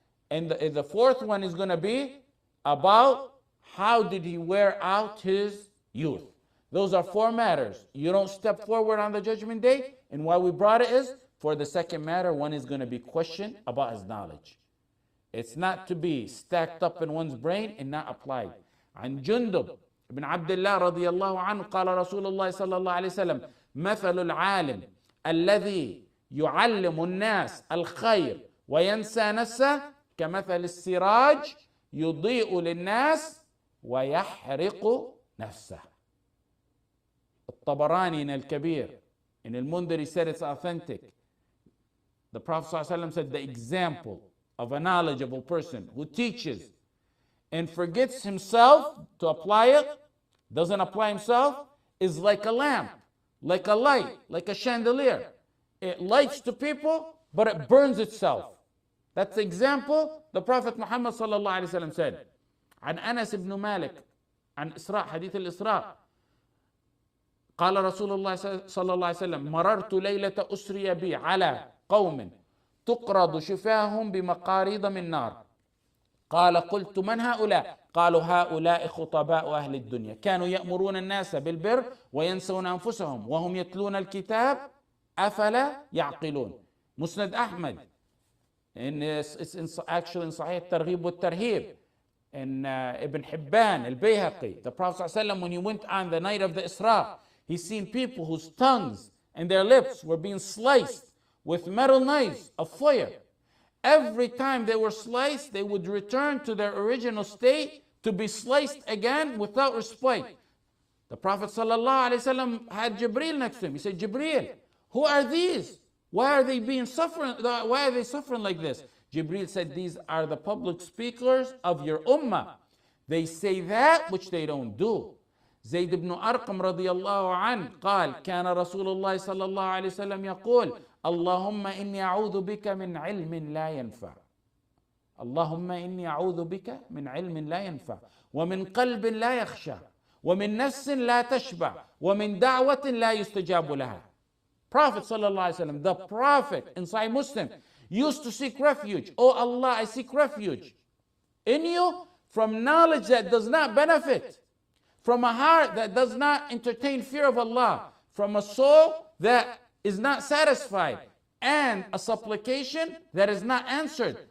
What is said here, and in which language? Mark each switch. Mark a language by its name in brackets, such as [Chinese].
[English] And the fourth one is going to be about how did he wear out his youth? Those are four matters. You don't step forward on the judgment day. And why we brought it is, for the second matter, one is going to be questioned about his knowledge. It's not to be stacked up in one's brain and not applied. [Arabic] عن جندب بن عبد الله رضي الله عنه قال رسول الله صلى الله عليه وسلم مثل العالم الذي يعلم الناس الخير وينسى نفسه كمثل السراج يضيء للناس ويحرق نفسه. [English] الطبراني in الكبير in المنذر he said it's authentic. The Prophet صلى الله عليه وسلم said the example of a knowledgeable person who teaches and forgets himself to apply it, doesn't apply himself, is like a lamp, like a light, like a chandelier. It lights to people, but it burns itself. That's the example the Prophet Muhammad صلى الله عليه وسلم said. [Arabic] عن أنس بن مالك عن إسراء حديث الإسراء قال رسول الله صلى الله عليه وسلم مررت ليلة أسري بي على قوم تقرض شفاههم بمقاريض من نار قال قلت من هؤلاء قالوا هؤلاء خطباء أهل الدنيا كانوا يأمرون الناس بالبر وينسون أنفسهم وهم يتلون الكتاب أفلا يعقلون. [English] مسند أحمد in صحيح الترغيب والترهيب in Ibn Hibban al-Bayhaqi, the Prophet صلى الله عليه وسلم when he went on the night of the Isra, he seen people whose tongues and their lips were being sliced with metal knives of fire. Every time they were sliced, they would return to their original state to be sliced again without respite. The Prophet ﷺ had Jibreel next to him. He said, Jibreel, who are these? Why are they being suffering? Why are they suffering like this? Jibreel said, these are the public speakers of your ummah. They say that which they don't do. [Arabic] زيد بن أرقم رضي الله عنه قال كان رسول الله صلى الله عليه وسلم يقول اللهم إني أعوذ بك من علم لا ينفع اللهم إني أعوذ بك من علم لا ينفع ومن قلب لا يخشى ومن نفس لا تشبع ومن دعوة لا يستجاب لها. [English] Prophet صلى الله عليه وسلم, the Prophet in Sahih Muslim, used to seek refuge. Oh Allah, I seek refuge in you from knowledge that does not benefit, from a heart that does not entertain fear of Allah, from a soul that is not satisfied, and a supplication that is not answered.